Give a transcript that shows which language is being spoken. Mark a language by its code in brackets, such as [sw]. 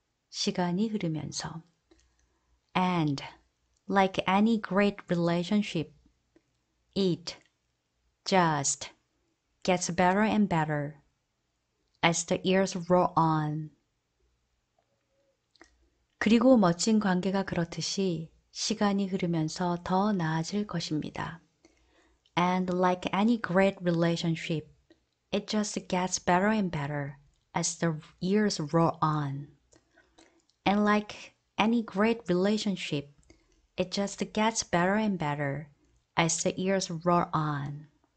[ko] 시간이 흐르면서 [en] and like any great relationship it just gets better and better as the years roll on. [ko] 그리고 멋진 관계가 그렇듯이 시간이 흐르면서 더 나아질 것입니다. [en] And like any great relationship, it just gets better and better as the years roll on. And like any great relationship, it just gets better and better as the years roll on.